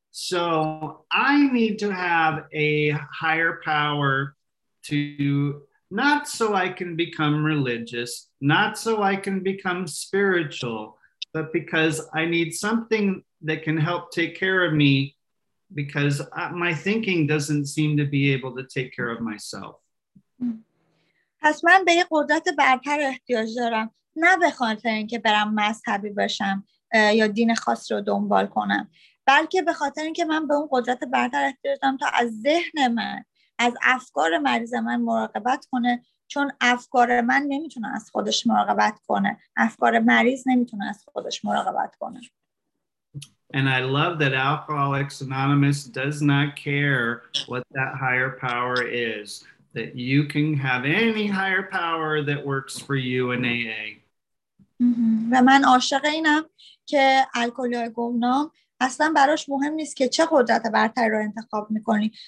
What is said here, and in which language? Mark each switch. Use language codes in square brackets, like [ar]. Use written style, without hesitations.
[en] So I need to have a higher power to not so I can become religious, not so I can become spiritual, but because I need something that can help take care of me because my thinking doesn't seem to be able to take care of myself. [fa] پس من به یه قدرت برتر احتیاج دارم، نه به خاطر اینکه برم مذهبی باشم یا دین خاص رو دنبال کنم، بلکه به خاطر اینکه من به اون قدرت برتر احتیاج دارم تا از ذهن من، از افکار مریض من مراقبت کنه، چون افکار من نمیتونه از خودش مراقبت کنه، افکار مریض نمیتونه از خودش مراقبت کنه. [en] And I love that Alcoholics Anonymous does not care what that higher power is, that you can have any higher power that works for you in AA. [fa] و من عاشق اینم که الکلی‌های گمنام اصلا براش مهم نیست که چه قدرت برتری رو انتخاب میکنی.